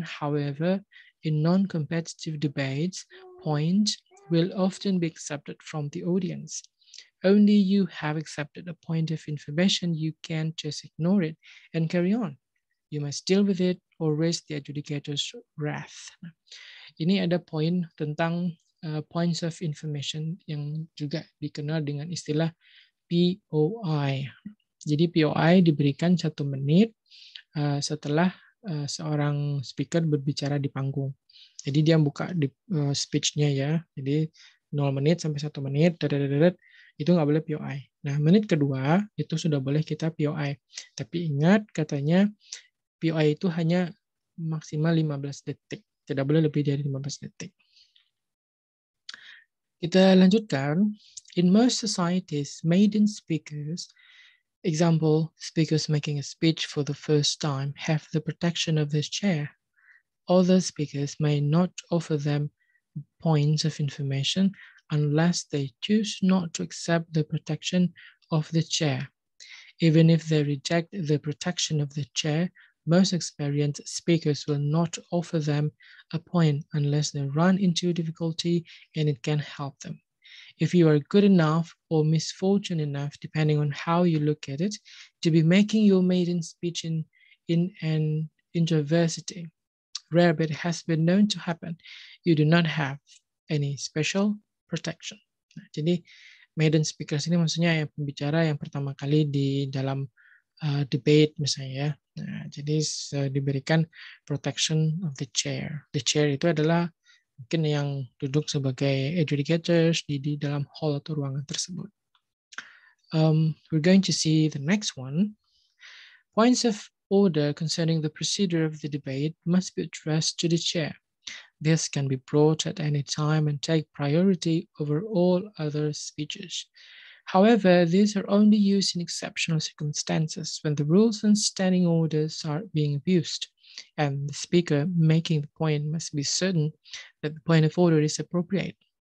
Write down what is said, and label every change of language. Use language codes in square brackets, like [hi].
[en] However, in non-competitive debates, points will often be accepted from the audience. Only you have accepted a point of information, you can't just ignore it and carry on. You must deal with it or risk the adjudicator's wrath. [id] Ini ada poin tentang points of information yang juga dikenal dengan istilah POI. Jadi POI diberikan 1 menit setelah seorang speaker berbicara di panggung. Jadi dia buka speech-nya ya. Jadi 0 menit sampai 1 menit, itu nggak boleh POI. Nah, menit kedua itu sudah boleh kita POI. Tapi ingat katanya POI itu hanya maksimal 15 detik. Tidak boleh lebih dari 15 detik. Kita lanjutkan. [en] In most societies, maiden speakers, example, speakers making a speech for the first time, have the protection of this chair. Other speakers may not offer them points of information unless they choose not to accept the protection of the chair. Even if they reject the protection of the chair, most experienced speakers will not offer them a point unless they run into difficulty and it can help them. If you are good enough or misfortune enough, depending on how you look at it, to be making your maiden speech in an university, rare but has been known to happen, you do not have any special protection. [id] Nah, jadi maiden speakers ini maksudnya yang pembicara yang pertama kali di dalam debate misalnya ya. Nah, jadi diberikan [en] protection of the chair. [id] The chair itu adalah mungkin yang duduk sebagai adjudicators di dalam hall atau ruangan tersebut. [en] We're going to see the next one. Points of order concerning the procedure of the debate must be addressed to the chair. This can be brought at any time and take priority over all other speeches. However, these are only used in exceptional circumstances when the rules and standing orders are being abused, and the speaker making the point must be certain that the point of order is appropriate.